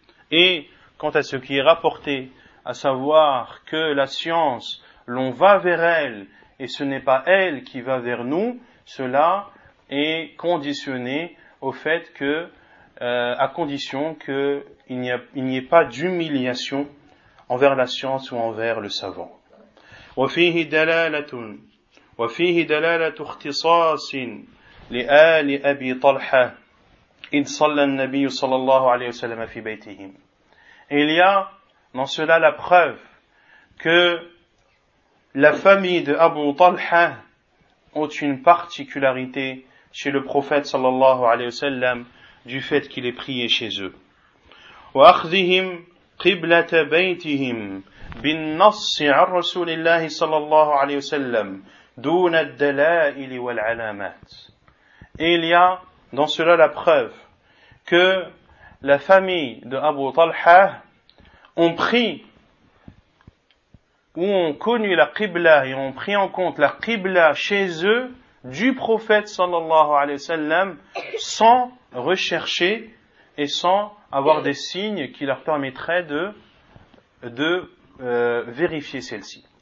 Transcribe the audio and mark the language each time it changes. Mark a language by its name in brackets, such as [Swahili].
[French] Et quant à ce qui est rapporté, à savoir que la science, l'on va vers elle, et ce n'est pas elle qui va vers nous, cela est conditionné au fait que, à condition que il n'y ait pas d'humiliation envers la science ou envers le savant. [Arabic] وَفِيهِ دَلَالَةٌ وفيه دلالة اختصاص لآل أبي طلحة إذ صلى النبي صلى الله عليه وسلم في بيتهم. [French] Il y a dans cela la preuve que la famille de Abu Talha ont une particularité chez le prophète [Arabic] صلى الله عليه وسلم [French] du fait qu'il ait prié chez eux. [Arabic] وأخذهم قبلة بيتهم بالنص عن رسول الله صلى الله عليه وسلم دون الدلائل والعلامات. [French] Il y a dans cela la preuve que la famille de Abu Talha ont pris ou ont connu la Qibla et ont pris en compte la Qibla chez eux du prophète sallallahu alayhi wa sallam sans rechercher et sans avoir des signes qui leur permettraient de vérifier celle-ci.